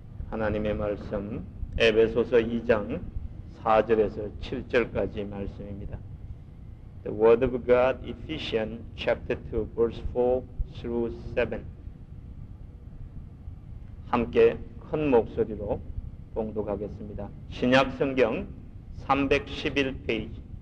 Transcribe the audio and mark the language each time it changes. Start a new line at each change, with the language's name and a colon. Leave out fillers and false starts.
Korean: 하나님의 말씀 에베소서 2장 4절에서 7절까지 말씀입니다.
English: The word of God, Ephesians chapter 2 verse 4 through 7.
Korean: 함께 큰 목소리로 봉독하겠습니다. 신약성경 311페이지.